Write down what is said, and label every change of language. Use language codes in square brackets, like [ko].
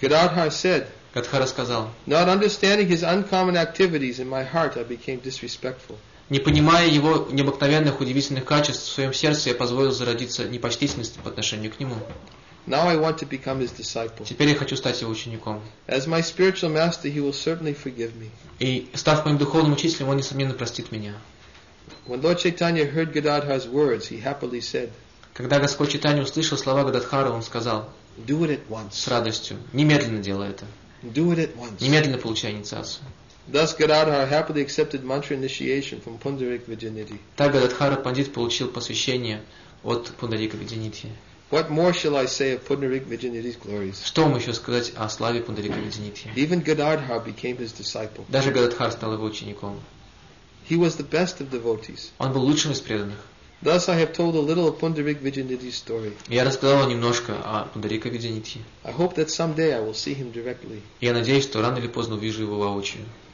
[en] Gadadhar said. [ru] Гададхара сказал. [en] Not understanding his uncommon activities in my heart, I became disrespectful. [ru] Не понимая его необыкновенных, удивительных качеств, в своем сердце я позволил зародиться непочтительность по отношению к нему. [en] Now I want to become his disciple. [ru] Теперь я хочу стать его учеником. [en] As my spiritual master, he will certainly forgive me. [ru] И став моим духовным учителем, он, несомненно, простит меня. [en] When Lord Chaitanya heard Gadadhar's words, he happily said, [ru] когда Господь Чайтанья услышал слова Гададхары, он сказал, [en] do it at once. [ru] С радостью, немедленно делай это. [en] Do it at once. [ru] Немедленно получай инициацию. [en] Thus Gadadhar happily accepted mantra initiation from Pundarik Vidyanidhi. [ru] Так Гададхара пандит получил посвящение от Пундарика Видянидхи. [en] What more shall I say of Pundarik Vidyanidhi's glories? [ru] Что мы еще сказать о славе Пундарика Видянидхи? [en] Even Gadadhar became his disciple. [ru] Даже Гададхар стал его учеником. [en] He was the best of devotees. [ru] Он был лучшим из преданных. [en] Thus I have told a little of Pundarik Vidyanidhi's story. [ru] Я рассказал немножко о Пундарике Видянидхи. [en] I hope that someday I will see him directly. [ru] Я надеюсь, что рано или поздно увижу его воочию.